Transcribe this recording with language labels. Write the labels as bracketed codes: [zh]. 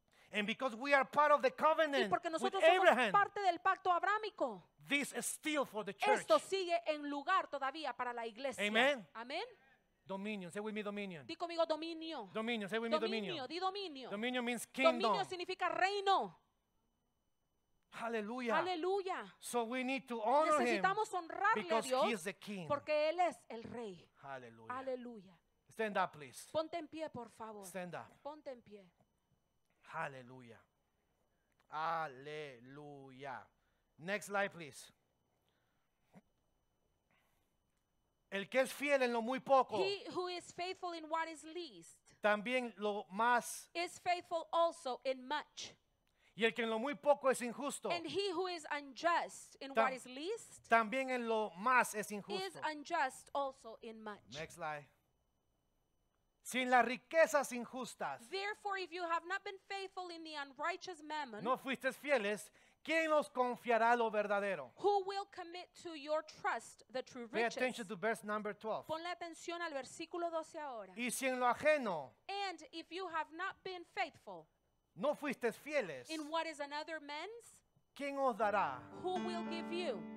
[en] And because we are part of the covenant [es] y porque nosotros [en] with [es] somos [en] Abraham, [es] parte del pacto abrámico, [en] this is still for the church. [es] Esto sigue en lugar todavía para la iglesia. [en] Amen. Amen. Dominion. Say with me dominion. [es] Di conmigo dominio. [en] Dominion. Say with me dominion. [es] Dominio. Di dominio. [en] Dominion means kingdom. [es] Dominio significa reino. [en] Hallelujah. Hallelujah. So we need to honor [es] Necesitamos [en] him [es] honrarle [en] because [es] a Dios [en] he is the king. [es] Porque él es el rey. [en] Hallelujah. Hallelujah. Stand up, please. [es] Ponte en pie, por favor. [en] Stand up. [es] Ponte en pie. Aleluya. Aleluya. [en] Next slide, please. [es] El que es fiel en lo muy poco. [en] He who is faithful in what is least. [es] También lo más. [en] Is faithful also in much. [es] Y el que en lo muy poco es injusto. [en] And he who is unjust in what is least. [es] También en lo más es injusto. [en] Is unjust also in much. Next slide. [es] Sin las riquezas injustas. [en] Therefore, if you have not been faithful in the unrighteous mammon, [es] no fuisteis fieles, ¿quién os confiará lo verdadero? [en] Who will commit to your trust the true riches? Pay attention to verse number 12. [es] Ponle atención al versículo 12 ahora. Y si en lo ajeno, [en] and if you have not been faithful, [es] no fuisteis fieles, [en] in what is another man's, [es] ¿quién os dará? [en] Who will give you